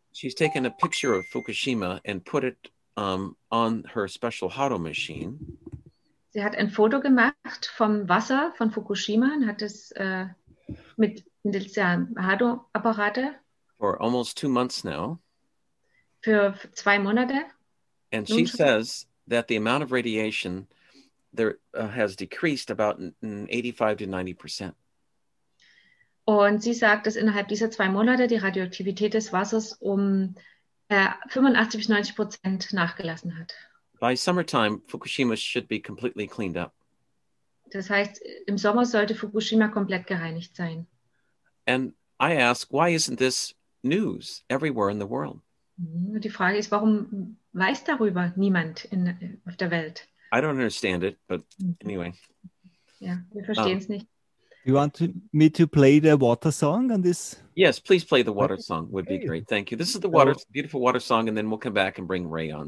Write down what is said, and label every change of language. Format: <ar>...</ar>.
<en>She's taken a picture of Fukushima and put it on her special Hado machine.</en> <de>Sie hat ein Foto gemacht vom Wasser von Fukushima und hat es mit dem Hado-Apparat</de> <en>for almost 2 months now.</en> <de>Für 2 Monate.</de> <en>And she says that the amount of radiation there has decreased about 85 to 90%.</en> <de>Und sie sagt, dass innerhalb dieser 2 Monate die Radioaktivität des Wassers um 85 bis 90% nachgelassen hat.</de> <en>By summertime, Fukushima should be completely cleaned up.</en> <de>Das heißt, im Sommer sollte Fukushima komplett gereinigt sein.</de> <en>And I ask, why isn't this news everywhere in the world?</en> <de>Die Frage ist, warum weiß darüber niemand auf der Welt?</de> <en>I don't understand it, but anyway.</en> <de>Ja, wir verstehen es nicht.</de> <en>You want me to play the water song on this? Yes, please play the water song. Would be great. Thank you. This is the water, beautiful water song, and then we'll come back and bring Ray on.</en>